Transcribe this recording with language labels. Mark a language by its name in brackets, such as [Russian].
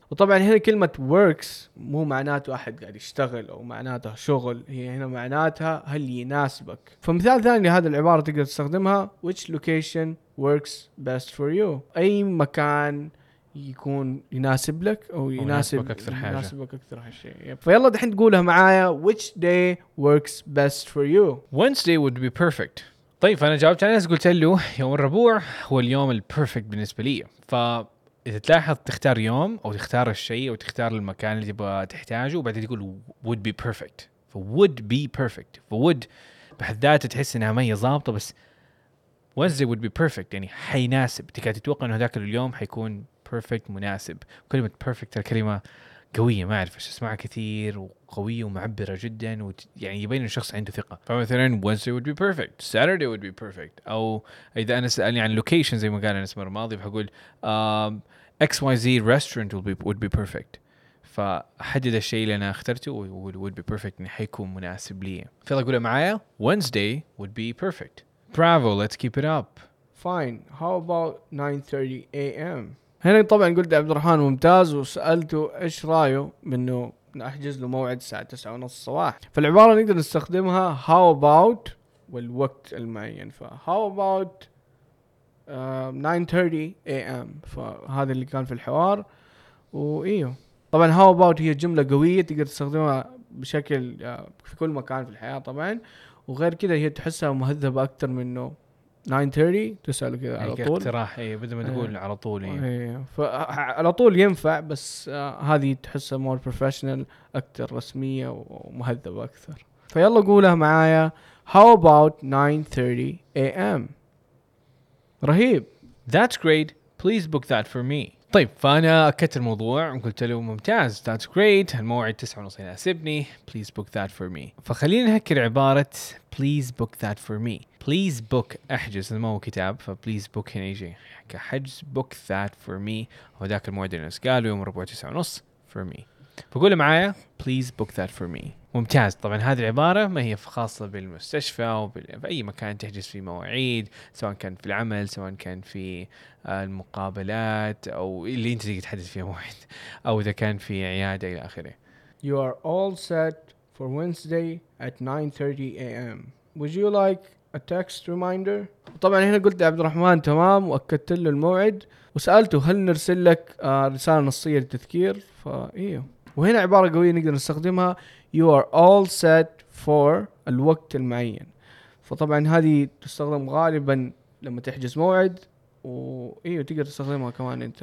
[Arabic] وطبعًا هنا كلمة works مو معناته أحد قاعد يشتغل أو معناته شغل، هي هنا معناتها هل يناسبك. فمثال ثاني لهذه العبارة تقدر تستخدمها [English] which location works best for you، [Arabic] أي مكان يكون يناسب لك أو يناسبك أكثر حاجة. يناسبك أكثر حاجة. فيلا دحين تقولها معايا [English] which day works best for you. Wednesday would be perfect. [Arabic] طيب أنا جاوبت على ناس قلت له يوم الربوع هو اليوم البرفكت بالنسبة لي. ف إذا تلاحظ تختار يوم أو تختار الشيء أو تختار المكان اللي تبغى تحتاجه، وبعدين تقول [English] would be perfect، [Arabic] ف would be perfect، ف would بحد ذاته تحس إنها ما هي ظابطة، بس [English] Wednesday would be perfect [Arabic] يعني حيناسب، تكاد تتوقع إنه ذاك اليوم حيكون perfect مناسب. كلمة perfect الكلمة قوية، ما أعرف إيش أسمعها كثير، وقوية ومعبرة جدا، يعني يبين إن الشخص عنده ثقة. فمثلا [English] Wednesday would be perfect، [Arabic] Saturday would be perfect، أو إذا أنا سألني عن location زي ما قال أنا اسمه الماضي، بقول [English] XYZ restaurant would be perfect. [Arabic] فحدد الشيء اللي أنا اخترته [English] would be perfect، [Arabic] إن حيكون مناسب لي. فلا أقوله معايا [English] Wednesday would be perfect. Bravo, let's keep it up. Fine. How about 9:30 a.m. [Arabic] هنا طبعا قلت عبد الرحمن ممتاز، وسألته ايش رايه بانه نحجز له موعد الساعة 9:30 الصباح. فالعبارة نقدر نستخدمها how about والوقت المعين، ف [English] how about 9:30 a.m. [Arabic] فهذا اللي كان في الحوار. وايوه طبعا [English] how about [Arabic] هي جملة قوية تقدر تستخدمها بشكل في كل مكان في الحياة طبعا، وغير كده هي تحسها مهذبة اكتر منه 9:30 تسأله كذا على طول. اقتراح إيه بدل ما تقول على طول. إيه على طول ينفع بس هذه تحسها [English] more professional [Arabic] أكثر رسمية ومهذبة أكثر. فيلا قولها معايا [English] how about 9:30 a.m. [Arabic] رهيب. [English] That's great. Please book that for me. [Arabic] طيب فأنا أكدت الموضوع وقلت له ممتاز. [English] That's great. [Arabic] الموعد 9:30 يناسبني. [English] Please book that for me. [Arabic] فخلينا نهكر عبارة [English] please book that for me. Please book [Arabic] احجز ما هو كتاب [English] فplease book [Arabic] هنا يجي كحجز [English] book that for me. [Arabic] وذاك الموعد اللي ناس قالوا يوم ربع 9:30 [English] for me. [Arabic] فقول معايا [English] please book that for me. [Arabic] ممتاز. طبعا هذه العبارة ما هي خاصة بالمستشفى أو بأي مكان تحجز فيه مواعيد سواء كان في العمل سواء كان في المقابلات أو اللي أنت تيجي تحدد فيه مواعيد أو إذا كان في عيادة إلى آخره. [English] You are all set for Wednesday at 9:30 a.m. Would you like a text reminder? [Arabic] طبعا هنا قلت لعبد الرحمن تمام وأكدت له الموعد وسألته هل نرسل لك رسالة نصية للتذكير فإيه. وهنا عبارة قوية نقدر نستخدمها [English] you are all set for [Arabic] الوقت المعين. فطبعا هذه تستخدم غالبا لما تحجز موعد وإيه تقدر تستخدمها كمان انت.